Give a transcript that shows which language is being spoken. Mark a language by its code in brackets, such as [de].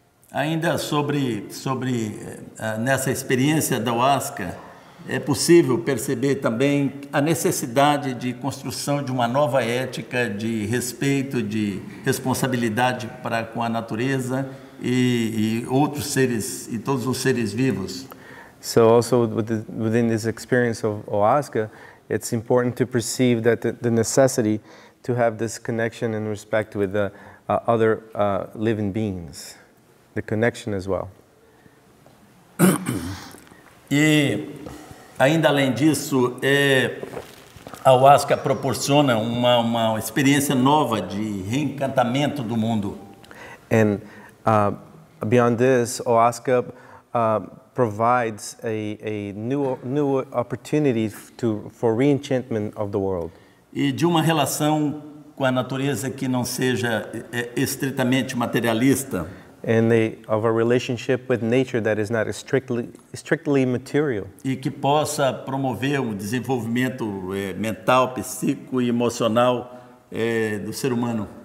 [pt] Ainda sobre nessa experiência da ayahuasca, é possível perceber também a necessidade de construção de uma nova ética de respeito, de responsabilidade para com a natureza e outros seres e todos os seres vivos. [en] So also within this experience of ayahuasca, it's important to perceive that the necessity to have this connection and respect with the other living beings, the connection as well. [pt] E ainda além disso, a ayahuasca proporciona uma experiência nova de reencantamento do mundo. [en] And beyond this, ayahuasca provides a new opportunity for reenchantment of the world. [pt] E de uma relação com a natureza que não seja estritamente materialista. [en] And of a relationship with nature that is not strictly material. [pt] E que possa promover um desenvolvimento mental, psíquico e emocional do ser humano.